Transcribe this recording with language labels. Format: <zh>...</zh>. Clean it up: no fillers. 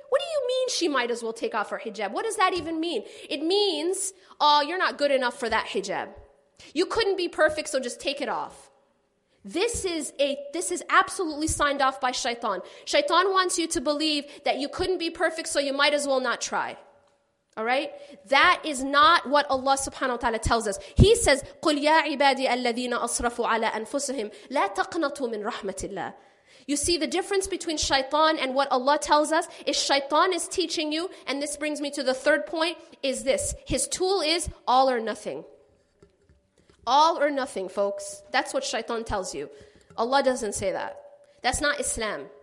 <en>What do you mean she might as well take off her hijab? What does that even mean? It means, oh, you're not good enough for that hijab. You couldn't be perfect, so just take it off. This is absolutely signed off by shaitan. Shaitan wants you to believe that you couldn't be perfect, so you might as well not try. All right? That is not what Allah subhanahu wa ta'ala tells us. He says,</en> <ar>قُلْ يَا عِبَادِيَ الَّذِينَ أَصْرَفُوا عَلَىٰ أَنفُسِهِمْ لَا تَقْنَطُوا مِنْ رَحْمَةِ اللَّهِ.</ar> <en>You see, the difference between shaitan and what Allah tells us is shaitan is teaching you, and this brings me to the third point, is this. His tool is all or nothing. All or nothing, folks. That's what shaitan tells you. Allah doesn't say that. That's not Islam.</en>